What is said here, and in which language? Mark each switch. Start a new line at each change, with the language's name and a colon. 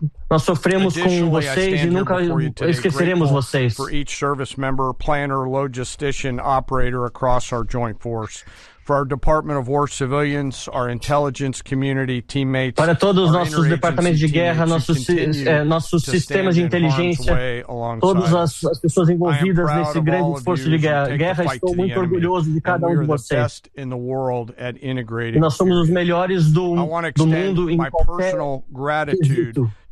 Portuguese: Nós sofremos com vocês e nunca esqueceremos vocês.
English: For each service member, planner, logistician, operator across our joint force. For our Department of War civilians, our intelligence community teammates,
Portuguese: para todos os nossos departamentos de guerra, nossos sistemas de inteligência, todas as pessoas envolvidas nesse grande esforço de guerra, estou muito orgulhoso de cada um de vocês. E nós somos os melhores do mundo em qualquer quesito.